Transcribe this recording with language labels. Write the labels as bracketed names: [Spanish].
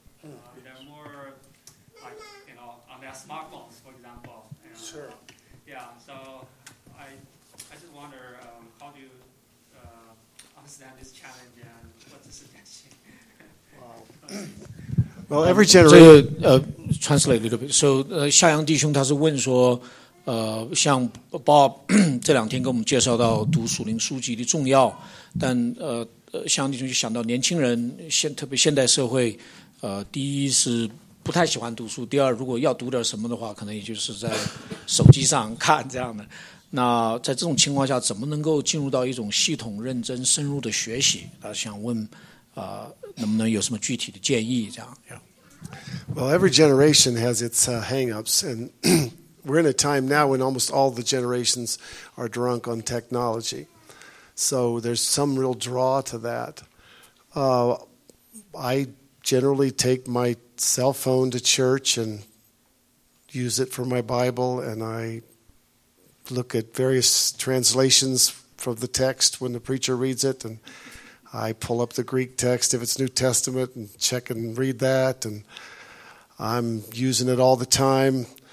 [English] They're more like, you know, on their smartphones, for example. You know. Sure. Yeah, so I just wonder how do you understand this challenge and what's the suggestion? Wow. Well, every generation. Translate a little bit. [Chinese] So, 夏阳弟兄他是问说，像 Bob 这两天跟我们介绍到读属灵书籍的重要，但夏阳弟兄就想到年轻人特别现代社会，第一是不太喜欢读书，第二如果要读点什么的话，可能也就是在手机上看这样的。那在这种情况下，怎么能够进入到一种系统、认真、深入的学习？他想问。能不能有什么具体的建议？这样。 [English] Well, every generation has its hang-ups, and we're in a time now when almost all the generations are drunk on technology. So there's some real draw to that. I generally take my cell phone to church and use it for my Bible, and I look at various translations from the text when the preacher reads it, and I pull up the Greek text if it's New Testament and check and read that, and I'm using it all the time.